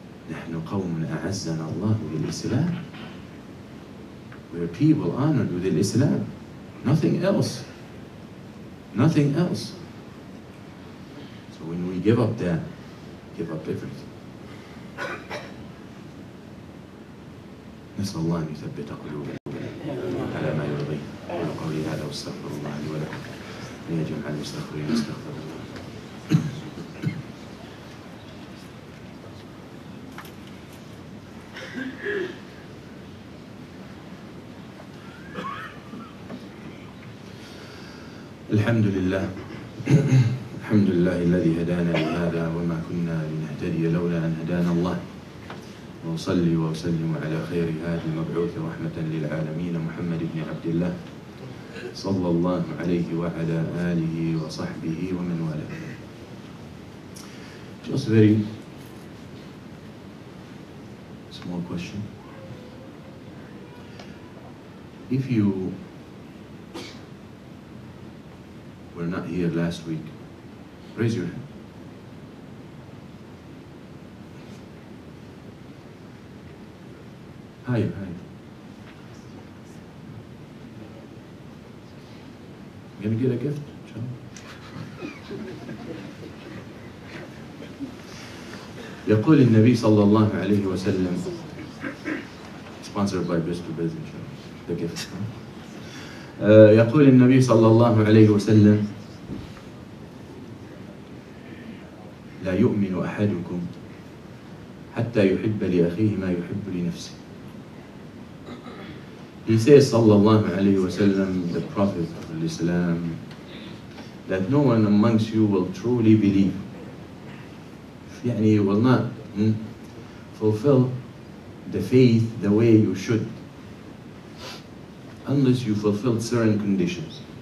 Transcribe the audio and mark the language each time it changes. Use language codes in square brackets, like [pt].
[ar] نحن قوم أعزنا الله بالإسلام. [en] We're people honored with Islam. Nothing else. Nothing else. So when we give up that, give up everything. [ar] نسأل الله أن يثبت قلوبنا على ما يرضي. أقول قولي هذا واستغفر الله لي ولكم يا جميع المستغفرين. استغفر الله. الحمد لله الحمد لله الذي هدانا لهذا وما كنا لنهتدي لولا أن هدانا الله. وأصلي وأسلم على خير هذا المبعوث رحمة للعالمين محمد بن عبد الله صلى الله عليه وعلى آله وصحبه ومن والاه. [en] Just very small question. If you were not here last week, raise your hand. Hi. Gonna get a gift, John? [ar] يقول النبي صلى الله عليه وسلم, [en] sponsored by Best of Business, the gift. [ar] يقول النبي صلى الله عليه وسلم, لا يؤمن أحدكم حتى يحب لأخيه ما يحب لنفسه. [en] He says, [ar] صلى الله عليه وسلم, [en] the Prophet of Islam, that no one amongst you will truly believe. يعني will not fulfill the faith the way you should unless you fulfill certain conditions.